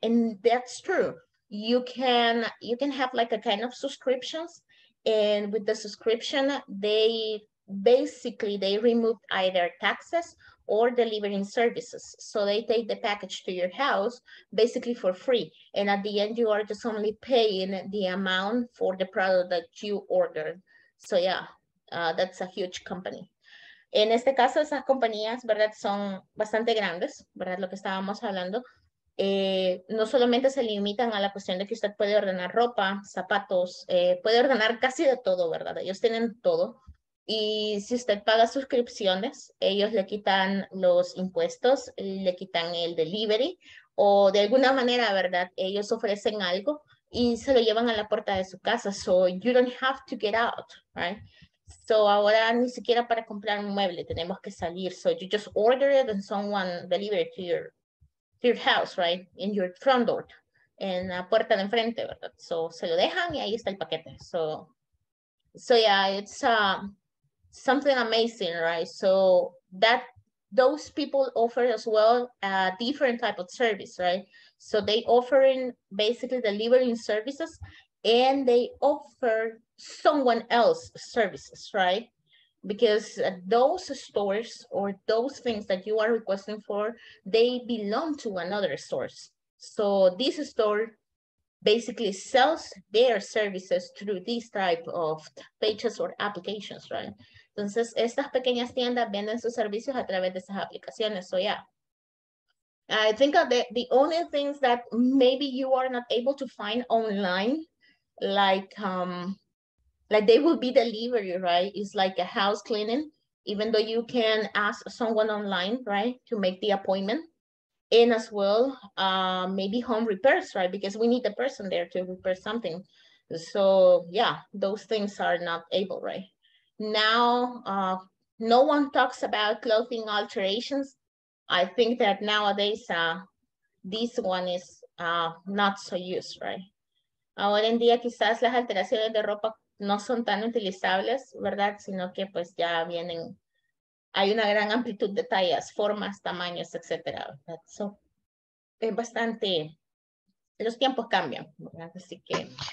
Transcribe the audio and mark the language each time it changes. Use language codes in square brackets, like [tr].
[en] And that's true. You can have like a kind of subscriptions, and with the subscription, they remove either taxes or delivering services. So they take the package to your house basically for free. And at the end, you are just only paying the amount for the product that you ordered. So yeah, that's a huge company. [es] En este caso, esas compañías, ¿verdad? Son bastante grandes, ¿verdad? Lo que estábamos hablando. No solamente se limitan a la cuestión de que usted puede ordenar ropa, zapatos, puede ordenar casi de todo, ¿verdad? Ellos tienen todo. Y si usted paga suscripciones, ellos le quitan los impuestos, le quitan el delivery, o de alguna manera, ¿verdad? Ellos ofrecen algo y se lo llevan a la puerta de su casa. [en] So you don't have to get out, right? [es] So ahora ni siquiera para comprar un mueble tenemos que salir. [en] So you just order it and someone deliver it to your house, right? In your front door, [es] en la puerta de enfrente, ¿verdad? So se lo dejan y ahí está el paquete. [en] So yeah, it's something amazing, right? So that those people offer as well a different type of service, right? So they offering basically delivering services, and they offer someone else services, right? Because those stores or those things that you are requesting for, they belong to another source. So this store basically sells their services through this type of pages or applications, right? [es] Entonces, estas pequeñas tiendas venden sus servicios a través de esas aplicaciones. [en] So yeah, I think that the only things that maybe you are not able to find online, like they will be delivery, right? It's like a house cleaning, even though you can ask someone online, right, to make the appointment. And as well, maybe home repairs, right? Because we need a person there to repair something. So yeah, those things are not able, right? Now, no one talks about clothing alterations. I think that nowadays, this one is not so used, right? [es] Ahora en día, quizás las alteraciones de ropa no son tan utilizables, ¿verdad? Sino que pues ya vienen, hay una gran amplitud de tallas, formas, tamaños, etcétera, ¿verdad? So, es bastante, los tiempos cambian, ¿verdad? Así que.